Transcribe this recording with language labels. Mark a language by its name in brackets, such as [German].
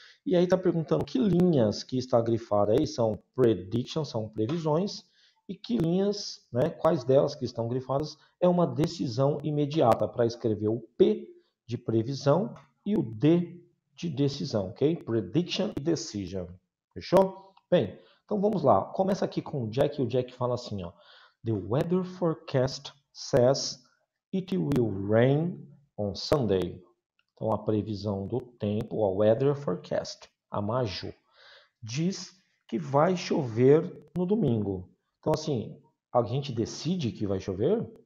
[Portuguese] E aí está perguntando que linhas que está grifada aí são predictions, são previsões, e que linhas, né, quais delas que estão grifadas, é uma decisão imediata para escrever o P de previsão e o D de decisão, ok? Prediction e decision. Fechou? Bem, então vamos lá. Começa aqui com o Jack e o Jack fala assim, ó. [English] The weather forecast says it will rain on Sunday. [Portuguese] Então, a previsão do tempo, a weather forecast, a Maju, diz que vai chover no domingo. Então, assim, a gente decide que vai chover?